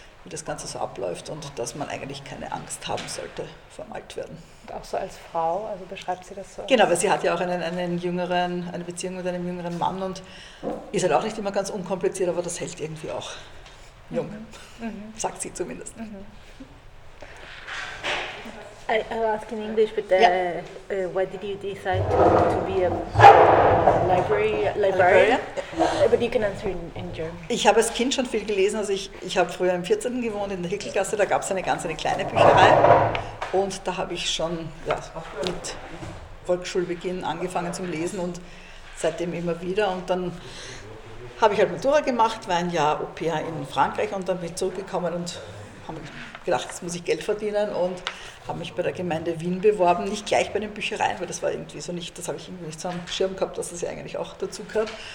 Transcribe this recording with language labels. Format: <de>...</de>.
<de>wie das Ganze so abläuft und dass man eigentlich keine Angst haben sollte vorm Altwerden. Und auch so als Frau, also beschreibt sie das so? Genau, weil sie hat ja auch eine Beziehung mit einem jüngeren Mann und ist halt auch nicht immer ganz unkompliziert, aber das hält irgendwie auch jung, sagt sie zumindest.</de> <en>I ask in English, but why did you decide to be a librarian? But you can answer in German.</en> <de>Ich habe als Kind schon viel gelesen. Also ich habe früher im 14. gewohnt, in der Hickelgasse. Da gab es eine kleine Bücherei. Und da habe ich schon mit Volksschulbeginn angefangen zum Lesen und seitdem immer wieder. Und dann habe ich halt Matura gemacht, war ein Jahr Au-pair in Frankreich und dann bin ich zurückgekommen und habe gedacht, jetzt muss ich Geld verdienen und habe mich bei der Gemeinde Wien beworben, nicht gleich bei den Büchereien, weil das war irgendwie so nicht, das habe ich irgendwie nicht so am Schirm gehabt, dass das ja eigentlich auch dazu gehört.</de>